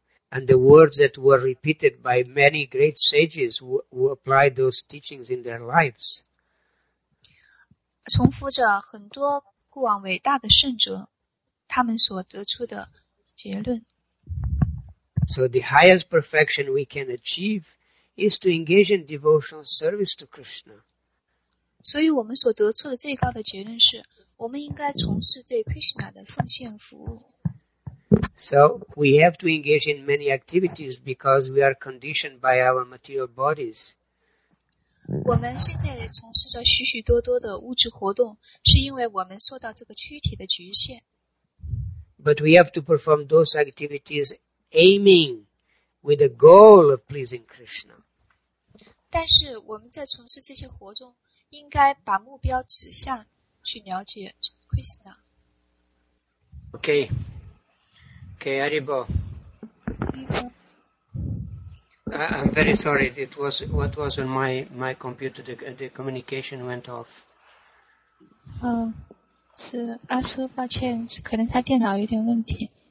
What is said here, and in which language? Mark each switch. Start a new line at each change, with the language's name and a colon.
English: And the words that were repeated by many great sages who applied those teachings in their lives.
Chinese: 重复着很多过往伟大的圣哲，他们所得出的结论。
English: So the highest perfection we can achieve is to engage in devotional service to Krishna.
Chinese: 所以我们所得出的最高的结论是，我们应该从事对 Krishna 的奉献服务。
English: So we have to engage in many activities because we are conditioned by our material bodies.
Chinese: 我们现在从事着许许多多的物质活动，是因为我们受到这个躯体的局限。
English: But we have to perform those activities aiming with the goal of pleasing Krishna.
Chinese: 但是我们在从事这些活动应该把目标指向去了解 Krishna。
English: OK OK Aribo I'm very sorry, it was what was on my computer, the communication went off.
Chinese: 是阿叔抱歉，可能他电脑有点问题。